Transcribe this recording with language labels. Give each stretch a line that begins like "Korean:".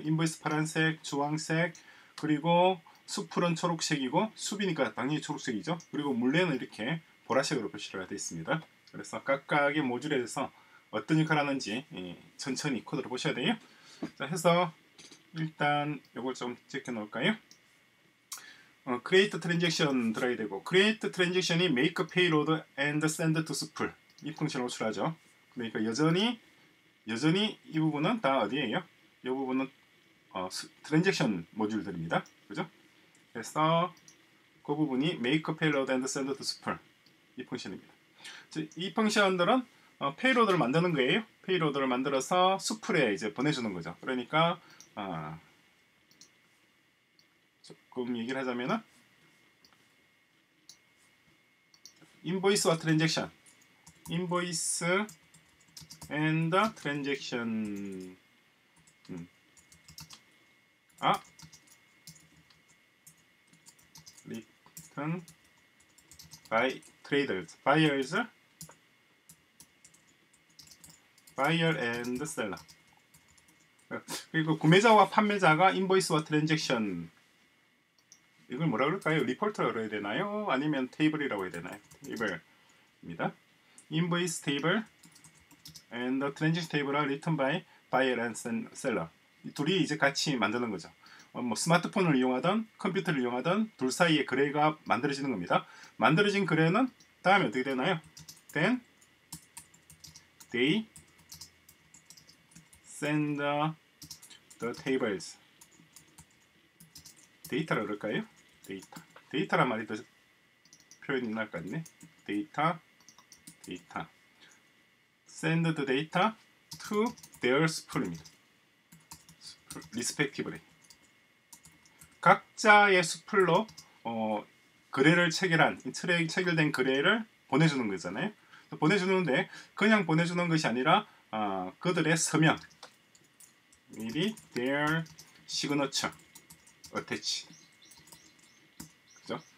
Korean: 인보이스 파란색, 주황색 그리고 수풀은 초록색이고 수비니까 당연히 초록색이죠. 그리고 물레는 이렇게 보라색으로 표시가 되어 있습니다. 그래서 각각의 모듈에 대해서 어떤 역할을 하는지 천천히 코드를 보셔야 돼요. 자, 해서 일단 이걸 좀 찍혀 놓을까요? create transaction 들어야 되고 create transaction이 make payload and send to spool 이 펑션을 호출하죠. 그러니까 여전히 이 부분은 다 어디예요? 이 부분은 transaction 모듈들입니다. 그죠? 그래서 그 부분이 make payload and send to spool 이 펑션입니다. 이 펑션들은 페이로드를 만드는 거예요. 페이로드를 만들어서 수풀에 이제 보내주는 거죠. 그러니까 조금 얘기를 하자면은 인보이스와 트랜잭션 인보이스
English: and the transaction. 아 return by traders, buyers, buyer and seller.
Korean: 그리고 구매자와 판매자가 invoice와 transaction. 이걸 뭐라 그럴까요? 리포터라고 해야 되나요? 아니면 테이블이라고 해야 되나요? 테이블입니다.
English: invoice table and the transaction table are written by buyer and seller.
Korean: 이 둘이 이제 같이 만드는 거죠. 뭐 스마트폰을 이용하던 컴퓨터를 이용하던 둘 사이에 거래가 만들어지는 겁니다. 만들어진 거래는 다음에 어떻게 되나요?
English: Then they send the tables.
Korean: 데이터라 그럴까요? 데이터. 데이터란 말이 더 표현이 날 것 같네. 데이터.
English: Send the data to their spool입니다. Respectively.
Korean: 각자의 수풀로 거래를 체결한 체결된 거래를 보내주는 거잖아요. 보내주는데 그냥 보내주는 것이 아니라 그들의 서명,
English: maybe their signature attached.
Korean: 그죠?